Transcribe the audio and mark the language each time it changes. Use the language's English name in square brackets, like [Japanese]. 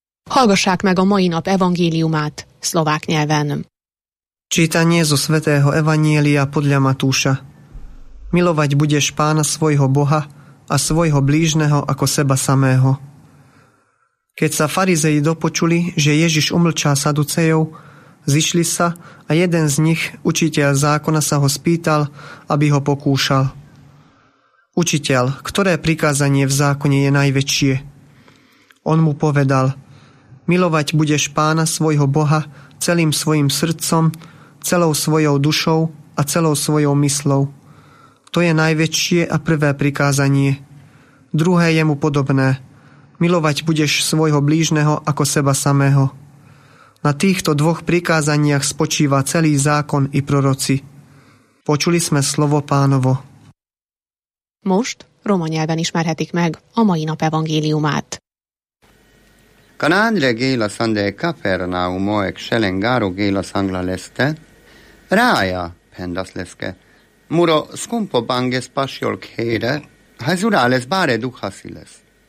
[Hungarian] Hallgassák meg a mai nap evangéliumát szlovák nyelven. [Slovak] Čítanie zo svätého evanjelia podľa Matúša. Milovať budeš pána svojho Boha a svojho blížneho ako seba samého. Keď sa farizeji dopočuli, že Ježiš umlčá saducejov, zišli sa a jeden z nich, učiteľ zákona, sa ho spýtal, aby ho pokúšal. Učiteľ, ktoré prikázanie v zákone je najväčšie? On mu povedal: Milovať budeš pána svojho Boha celým svojim srdcom, celou svojou dušou a celou svojou mysľou. To je najväčšie a prvé prikázanie. Druhé je mu podobné. Milovať budeš svojho blížneho ako seba samého. Na týchto dvoch prikázaniach spočíva celý zákon i proroci. Počuli sme slovo Pánovo. [Hungarian] Most roma nyelven ismerhetik meg a mai nap evangéliumát. [Romany] Kan andre gela sande Kapernaum ek selengaro gela sangla leste? Raja, pendas leske. Muro skumpo banges pasiol kere, hajzurales bare duhasiles.